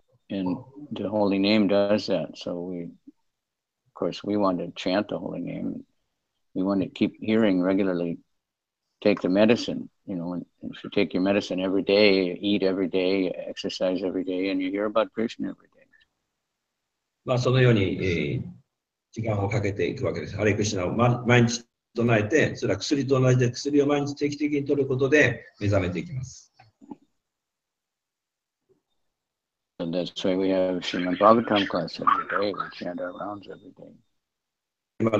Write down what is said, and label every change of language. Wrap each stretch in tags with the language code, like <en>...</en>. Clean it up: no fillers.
<en>And the holy name does that, so Of course, we want to chant the holy name. We want to keep hearing regularly. Take the medicine. You know, if you take your medicine every day, eat every day, exercise every day, and you hear about Krishna every day.</en> <ja>まあ、そのように、時間をかけていくわけです。ハレクリシナを毎日唱えて、それは薬と同じで薬を毎日定期的に取ることで目覚めていきます。</ja> <en>And that's why we have Srimad Bhagavatam class every day. We chant our rounds every day.</en>